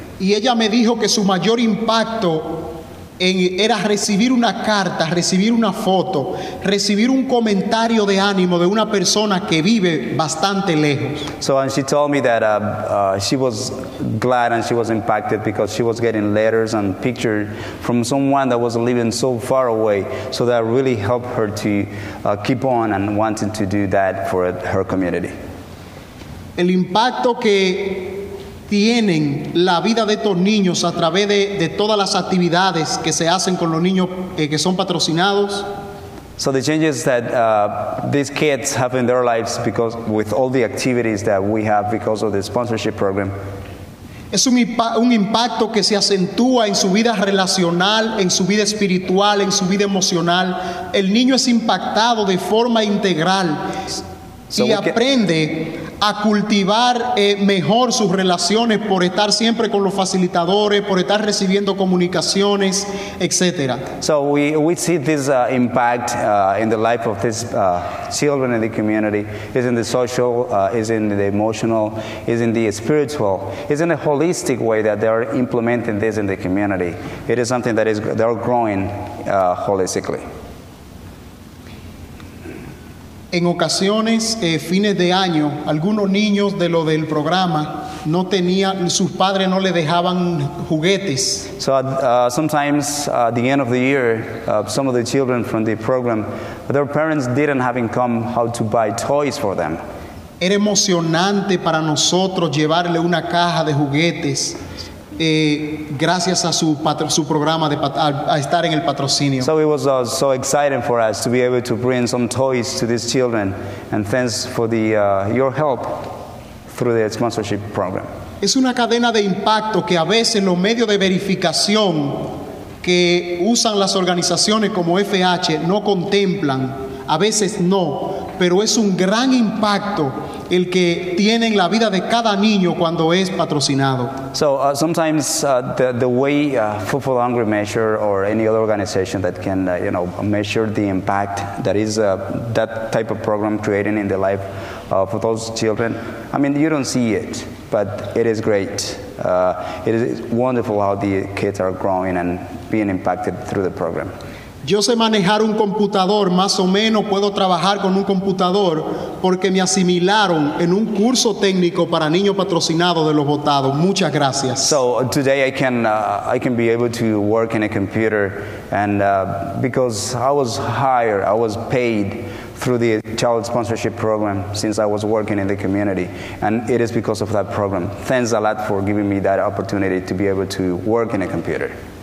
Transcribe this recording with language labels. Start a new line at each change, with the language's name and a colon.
Spanish: Y ella me dijo que su mayor impacto era recibir una carta, recibir una foto, recibir un comentario de ánimo de una persona que vive bastante lejos.
English: So, and she told me that she was glad and she was impacted because she was getting letters and pictures from someone that was living so far away. So that really helped her to keep on and wanting to do that for her community.
Spanish: El impacto que tienen la vida de estos niños a través de todas las actividades que se hacen con los niños que son patrocinados.
English: So the changes that these kids have in their lives because with all the activities that we have because of the sponsorship program.
Spanish: Es un impacto que se acentúa en su vida relacional, en su vida espiritual, en su vida emocional. El niño es impactado de forma integral. So y aprende a cultivar mejor sus relaciones por estar siempre con los facilitadores, por estar recibiendo comunicaciones, etc.
English: So we see this impact in the life of these children in the community. It's in the social, it's in the emotional, it's in the spiritual. It's in a holistic way that they are implementing this in the community. It is something that is they are growing holistically.
Spanish: En ocasiones, fines de año, algunos niños de lo del programa no tenían, sus padres no le dejaban juguetes.
English: So sometimes at the end of the year, some of the children from the program, their parents didn't have income how to buy toys for them.
Spanish: Era emocionante para nosotros llevarle una caja de juguetes. Gracias a su programa de a estar en el patrocinio.
English: So it was so exciting for us to be able to bring some toys to these children, and thanks for the your help through the sponsorship program.
Spanish: Es una cadena de impacto que a veces los medios de verificación que usan las organizaciones como FH no contemplan, a veces no, pero es un gran impacto el que tiene en la vida de cada niño cuando es patrocinado.
English: So sometimes the way Food for Hungry measure or any other organization that can measure the impact that is that type of program creating in the life for those children, I mean, you don't see it, but it is great. It is wonderful how the kids are growing and being impacted through the program.
Spanish: Yo sé manejar un computador, más o menos puedo trabajar con un computador porque me asimilaron en un curso técnico para niños patrocinados de Los Botados. Muchas gracias.
English: So today I can be able to work in a computer and because I was hired, I was paid through the child sponsorship program since I was working in the community and it is because of that program. Thanks a lot for giving me that opportunity to be able to work in a computer.